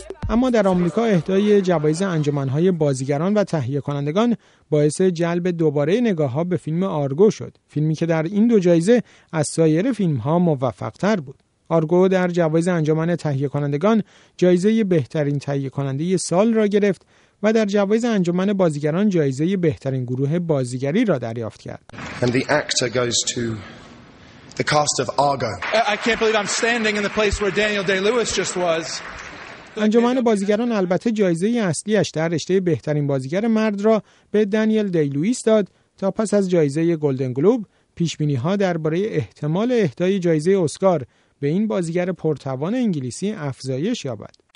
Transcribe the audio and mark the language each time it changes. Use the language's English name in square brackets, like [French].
[Persian] اما در آمریکا اهدای جوایز انجمن‌های بازیگران و تهیه کنندگان باعث جلب دوباره نگاه‌ها به فیلم آرگو شد. فیلمی که در این دو جایزه از سایر فیلم‌ها موفق‌تر بود. آرگو در جوایز انجمن تهیه کنندگان جایزه بهترین تهیه کننده سال را گرفت و در جوایز انجمن بازیگران جایزه بهترین گروه بازیگری را دریافت کرد. [English] And the actor goes to the cast of Argo. I can't believe I'm standing in the place where Daniel Day-Lewis just was. [Persian] انجمن بازیگران البته جایزه اصلیش در رشته بهترین بازیگر مرد را به دانیل دی‌لوئیس داد تا پس از جایزه گلدن گلوب پیشبینی‌ها درباره احتمال اهدای جایزه اسکار به این بازیگر پرتوان انگلیسی افزایش یابد.